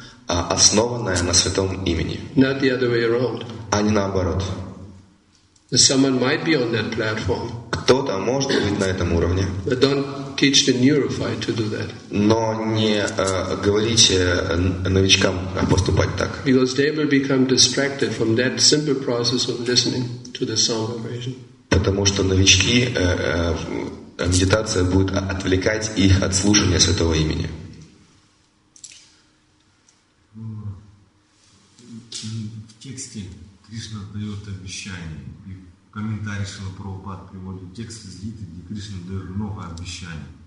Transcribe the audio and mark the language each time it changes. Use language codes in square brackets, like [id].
[ru] Основанная на святом имени. [en] Not the other way around. [ru] А не наоборот. [en] Someone might be on that platform. [ru] Кто-то может быть на этом уровне. [en] But don't teach the neophyte to do that. [ru] Но не говорите новичкам поступать так. [en] Because they will become distracted from that simple process of listening to the sound vibration. [ru] Потому что новички медитация будет отвлекать их от слушания святого имени. В тексте Кришна дает обещание. Комментарий Шрила Прабхупада приводит текст из Гиты, где Кришна дает много обещаний.